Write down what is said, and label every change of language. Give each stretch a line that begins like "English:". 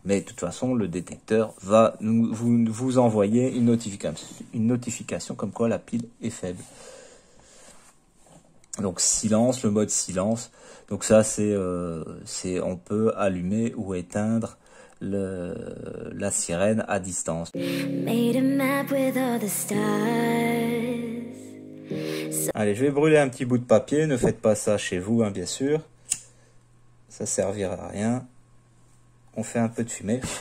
French: Mais de toute façon, le détecteur va vous envoyer une notification comme quoi la pile est faible. Donc silence, le mode silence. Donc ça, c'est on peut allumer ou éteindre la sirène à distance.
English: Made a map with all the stars.
French: Allez, je vais brûler un petit bout de papier. Ne faites pas ça chez vous, hein, bien sûr. Ça servira à rien. On fait un peu de fumée.